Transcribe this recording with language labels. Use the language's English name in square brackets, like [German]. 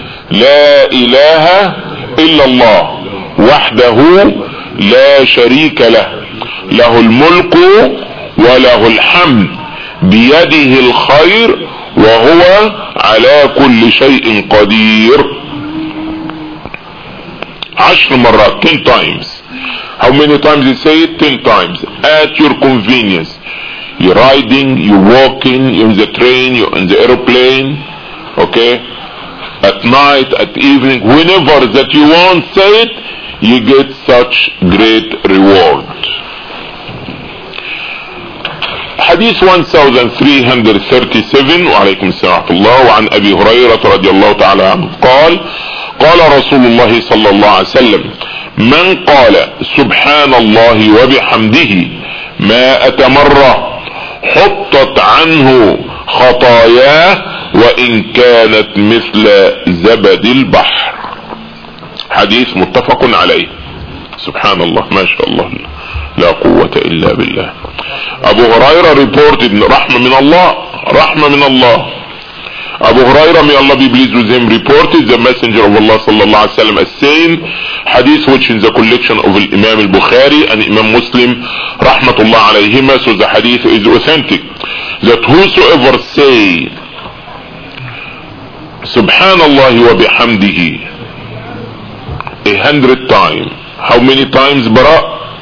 [Arabic] لا إله إلا الله وحده لا شريك له. له الملك وله الحمد بيده الخير وهو على كل شيء قدير. [English] 10 times, 10 times. How many times you say it? 10 times. At your convenience. You're riding, you're walking, you're in the train, you're in the airplane. Okay? At night, at evening, whenever that you want, say it, you get such great reward. [Arabic] Hadith 1337, wa alaykum salatullah, wa an Abi Hurairah radiallahu ta'ala anhu, qal, قال رسول الله صلى الله عليه وسلم من قال سبحان الله وبحمده ما أتمر حطت عنه خطاياه وإن كانت مثل زبد البحر. حديث متفق عليه. سبحان الله ما شاء الله لا قوة إلا بالله. أبو هريرة reported رحمة من الله. [English] Abu Huraira, may Allah be pleased with him, reported the Messenger of Allah sallallahu alaihi wasallam as saying, hadith which in the collection of Imam al-Bukhari and Imam Muslim, rahmatullah alayhima, so the hadith is authentic, that whosoever say, Subhanallah wa bihamdihi, 100 times, how many times bara?